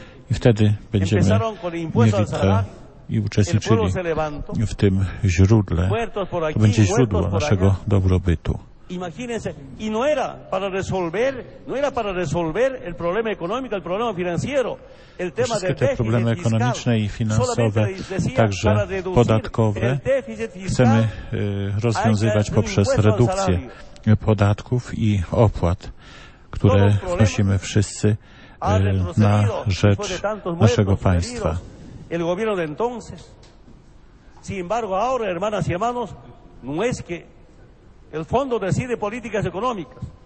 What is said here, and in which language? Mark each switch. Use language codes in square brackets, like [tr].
[pl] I wtedy będziemy mieli to i uczestniczyli w tym źródle. To będzie źródło naszego dobrobytu. [es] Imagínense, y no era para resolver el problema económico, el problema financiero, el tema del déficit fiscal, [pl] problemy ekonomiczne i finansowe, także podatkowe, chcemy rozwiązywać poprzez redukcję podatków i opłat, które wnosimy wszyscy na rzecz naszego państwa. [es] El gobierno de entonces, sin embargo, ahora, hermanas y hermanos, no es que el fondo decide políticas económicas,